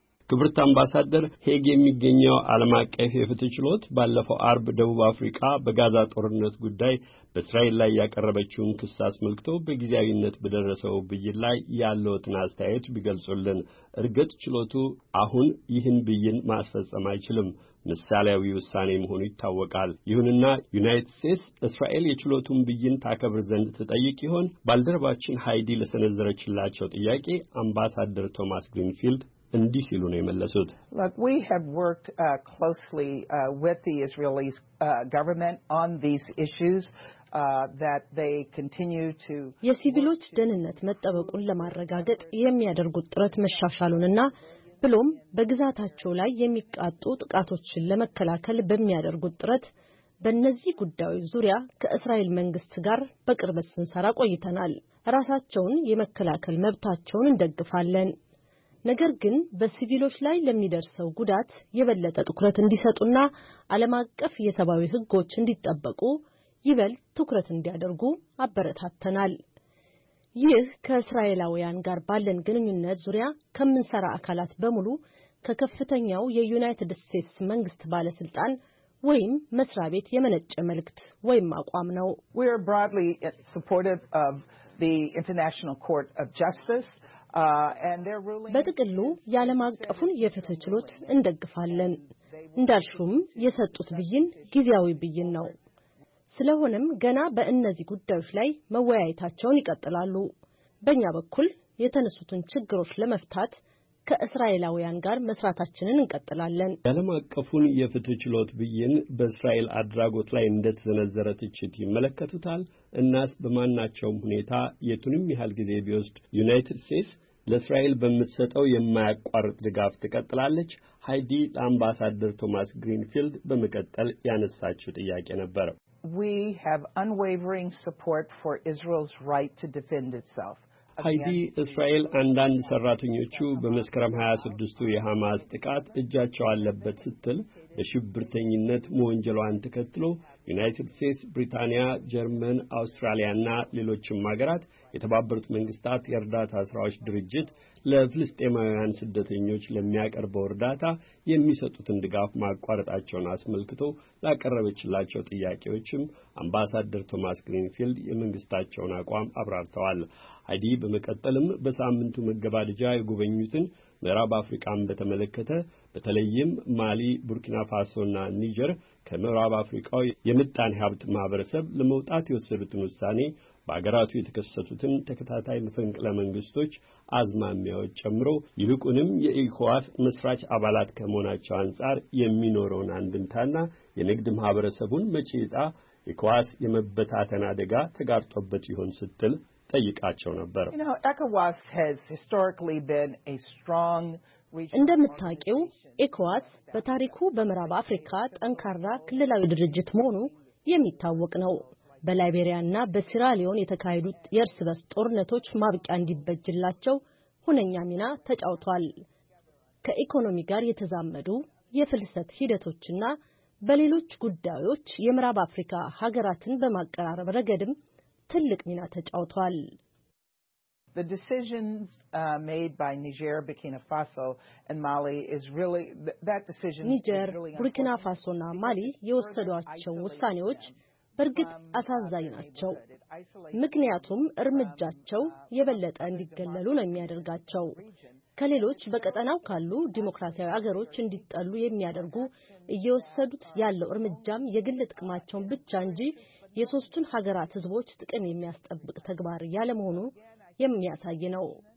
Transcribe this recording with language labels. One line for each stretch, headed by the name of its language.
Amharic: ክብርት አምባሳደር፣ ሄግ የሚገኘው ዓለም አቀፍ የፍትህ ችሎት ባለፈው አርብ ደቡብ አፍሪካ በጋዛ ጦርነት ጉዳይ በእስራኤል ላይ ያቀረበችውን ክስ አስመልክቶ በጊዜያዊነት በደረሰው ብይን ላይ ያለውን አስተያየት ቢገልጹልን። እርግጥ ችሎቱ አሁን ይህን ብይን ማስፈጸም አይችልም፣ ምሳሌያዊ ውሳኔ መሆኑ ይታወቃል። ይሁንና ዩናይትድ ስቴትስ እስራኤል የችሎቱን ብይን ታከብር ዘንድ ተጠይቅ ይሆን? ባልደረባችን ሃይዲ ለሰነዘረችላቸው ጥያቄ አምባሳደር ቶማስ ግሪንፊልድ እንዲህ ሲሉ ነው የመለሱት።
English: Look, we have worked closely with the Israeli government on these issues.
Amharic: የሲቪሎች ደህንነት መጠበቁን ለማረጋገጥ የሚያደርጉት ጥረት መሻሻሉንና ብሎም በግዛታቸው ላይ የሚቃጡ ጥቃቶችን ለመከላከል በሚያደርጉት ጥረት በእነዚህ ጉዳዮች ዙሪያ ከእስራኤል መንግስት ጋር በቅርበት ስንሰራ ቆይተናል። ራሳቸውን የመከላከል መብታቸውን እንደግፋለን። ነገር ግን በሲቪሎች ላይ ለሚደርሰው ጉዳት የበለጠ ትኩረት እንዲሰጡና ዓለም አቀፍ የሰብአዊ ህጎች እንዲጠበቁ ይበል ትኩረት እንዲያደርጉ አበረታተናል። ይህ ከእስራኤላውያን ጋር ባለን ግንኙነት ዙሪያ ከመንሰራ አካላት በሙሉ ከከፍተኛው የዩናይትድ ስቴትስ መንግስት ባለ ስልጣን ወይም መስሪያ ቤት የመነጨ መልእክት ወይም አቋም ነው።
English: We are broadly supportive of the International Court of Justice and their ruling.
Amharic: በጥቅሉ የዓለም አቀፉን የፍትህ ችሎት እንደግፋለን። እንዳልሹም የሰጡት ብይን ጊዜያዊ ብይን ነው። ስለሆነም ገና በእነዚህ ጉዳዮች ላይ መወያየታቸውን ይቀጥላሉ። በእኛ በኩል የተነሱትን ችግሮች ለመፍታት ከእስራኤላውያን ጋር መስራታችንን እንቀጥላለን። ዓለም አቀፉን የፍትህ ችሎት ብይን በእስራኤል አድራጎት ላይ እንደተዘነዘረ ትችት ይመለከቱታል። እናስ በማናቸውም ሁኔታ የቱንም ያህል ጊዜ ቢወስድ ዩናይትድ ስቴትስ ለእስራኤል በመተሰጠው የማያቋርጥ ድጋፍ ተቀጥላለች። ሃይዲ ለአምባሳደር ቶማስ ግሪንፊልድ በመቀጠል ያነሳችው ጥያቄ ነበር።
English: We have unwavering support for Israel's right to defend itself.
Amharic: ሃይዲ እስራኤል አንዳንድ ሰራተኞቹ በመስከረም 26ቱ የሐማስ ጥቃት እጃቸው አለበት ስትል በሽብርተኝነት መወንጀሏን ተከትሎ ዩናይትድ ስቴትስ፣ ብሪታንያ፣ ጀርመን፣ አውስትራሊያና ሌሎችም ሀገራት የተባበሩት መንግስታት የእርዳታ ስራዎች ድርጅት ለፍልስጤማውያን ስደተኞች ለሚያቀርበው እርዳታ የሚሰጡትን ድጋፍ ማቋረጣቸውን አስመልክቶ ላቀረበችላቸው ጥያቄዎችም አምባሳደር ቶማስ ግሪንፊልድ የመንግስታቸውን አቋም አብራርተዋል። ሃይዲ በመቀጠልም በሳምንቱ መገባደጃ የጉበኙትን ምዕራብ አፍሪካን በተመለከተ በተለይም ማሊ፣ ቡርኪና ፋሶና ኒጀር ከምዕራብ አፍሪካው የምጣኔ ሀብት ማህበረሰብ ለመውጣት የወሰዱትን ውሳኔ በአገራቱ የተከሰቱትን ተከታታይ መፈንቅለ መንግስቶች አዝማሚያዎች ጨምሮ ይልቁንም የኢኮዋስ መስራች አባላት ከመሆናቸው አንጻር የሚኖረውን አንድምታና የንግድ ማህበረሰቡን መጪ ዕጣ ኢኮዋስ የመበታተን አደጋ ተጋርጦበት ይሆን ስትል ጠይቃቸው ነበር።
English: ኢኮዋስ has historically been a strong region.
Amharic: እንደምታውቁት ኢኮዋስ በታሪኩ በምዕራብ አፍሪካ ጠንካራ ክልላዊ ድርጅት መሆኑ የሚታወቅ ነው። በላይቤሪያና በሲራሊዮን የተካሄዱት የእርስ በርስ ጦርነቶች ማብቂያ እንዲበጅላቸው ሁነኛ ሚና ተጫውቷል። ከኢኮኖሚ ጋር የተዛመዱ የፍልሰት ሂደቶችና በሌሎች ጉዳዮች የምዕራብ አፍሪካ ሀገራትን በማቀራረብ ረገድም ትልቅ ሚና ተጫውቷል።
English: The decisions made by Niger, Burkina Faso and Mali is really that decision Niger, is really
Amharic: Burkina Faso እና Mali የወሰዷቸው ውሳኔዎች በርግጥ አሳዛኝ ናቸው። ምክንያቱም እርምጃቸው የበለጠ እንዲገለሉ ነው የሚያደርጋቸው። ከሌሎች በቀጠናው ካሉ ዲሞክራሲያዊ አገሮች እንዲጣሉ የሚያደርጉ እየወሰዱት ያለው እርምጃም የግል ጥቅማቸውን ብቻ እንጂ የሶስቱን ሀገራት ህዝቦች ጥቅም የሚያስጠብቅ ተግባር ያለመሆኑ የሚያሳይ ነው።